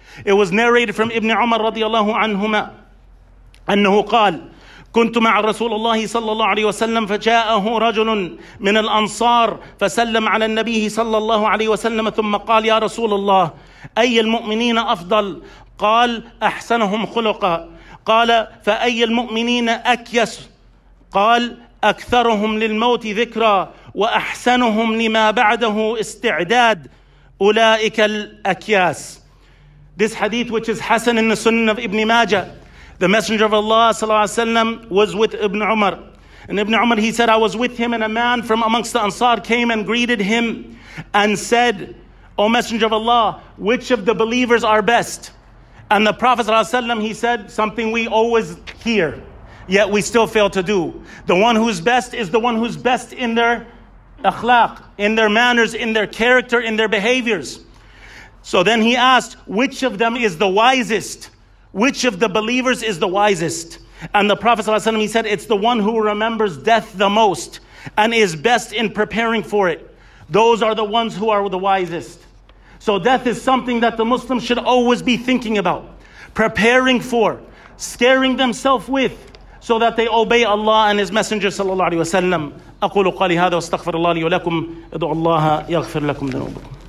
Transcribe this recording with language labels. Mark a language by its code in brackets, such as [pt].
[en] It was narrated from Ibn Umar radiallahu anhuma, [ar] أنه قال, كنت مع رسول الله صلى الله عليه وسلم فجاءه رجل من الأنصار فسلم على النبي صلى الله عليه وسلم ثم قال يا رسول الله أي المؤمنين أفضل؟ قال أحسنهم خلقا. قال فأي المؤمنين أكيس؟ قال أكثرهم للموت ذكرا وأحسنهم لما بعده استعداد أولئك الأكياس. [en] This hadith, which is Hasan in the Sunan of Ibn Majah, the Messenger of Allah sallallahu alaihi wasallam was with Ibn Umar, and Ibn Umar, he said, I was with him, and a man from amongst the Ansar came and greeted him and said, O Messenger of Allah, which of the believers are best? And the Prophet sallallahu alaihi wasallam, he said something we always hear, yet we still fail to do. The one who's best is the one who's best in their akhlaq, in their manners, in their character, in their behaviors. So then he asked, which of them is the wisest? Which of the believers is the wisest? And the Prophet sallallahu alaihi wasallam, he said, it's the one who remembers death the most and is best in preparing for it. Those are the ones who are the wisest. So death is something that the Muslim should always be thinking about, preparing for, scaring themselves with, so that they obey Allah and His Messenger sallallahu alaihi wasallam. [ar] أقول قولي هذا واستغفر الله لي ولكم ادعو الله يغفر لكم ذنوبكم.